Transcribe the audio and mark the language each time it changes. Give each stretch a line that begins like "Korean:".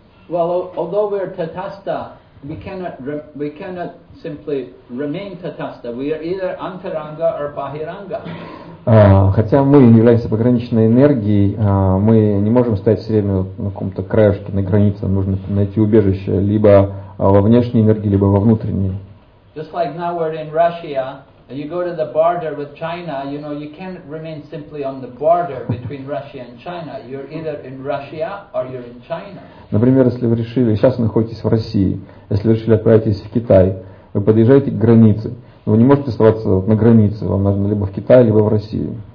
English: Well, although we're tatastha, we cannot simply remain tatastha. We are either antaranga or bahiranga.
Russian: Хотя мы являемся пограничной энергией, мы не можем стоять все время на каком-то краешке, на границе, нам нужно найти убежище либо во внешней энергии, либо во внутренней.
English: Just like now we're in Russia, and you go to the border with China, you know, you can't remain simply on the border between Russia and China. You're either in Russia or you're in China.
Russian: Например, если вы решили, сейчас вы находитесь в России, если вы решили отправиться в Китай, вы подъезжаете к границе. Вы не можете оставаться на границе, вам нужно либо в Китае, либо в России.